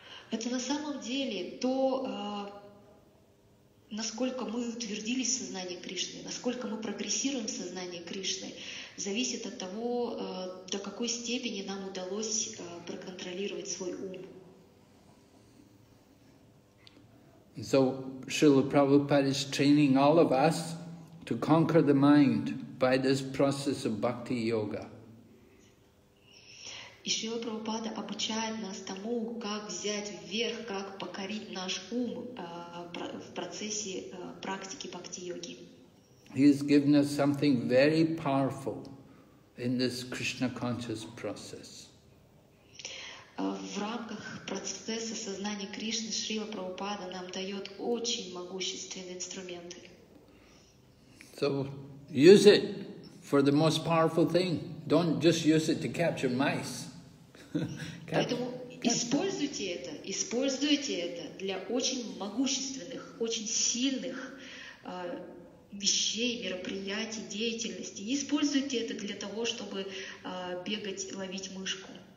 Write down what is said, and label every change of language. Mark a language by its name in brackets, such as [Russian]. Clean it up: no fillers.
[Russian] Это на самом деле то, насколько мы утвердились в сознании Кришны, насколько мы прогрессируем в сознании Кришны, зависит от того, до какой степени нам удалось проконтролировать свой ум. [English] So Srila Prabhupada is training all of us to conquer the mind by this process of bhakti yoga. [Russian] И Шрила Прабхупада обучает нас тому, как взять вверх, как покорить наш ум в процессе практики бхакти-йоги. [English] He has given us something very powerful in this Krishna conscious process. [Russian] В рамках процесса сознания Кришны Шрила Прабхупада нам дает очень могущественные инструменты. [English] So use it for the most powerful thing. Don't just use it to capture mice. [Russian] Поэтому используйте это для очень могущественных, очень сильных вещей, мероприятий, деятельности. Не используйте это для того, чтобы бегать, ловить мышку.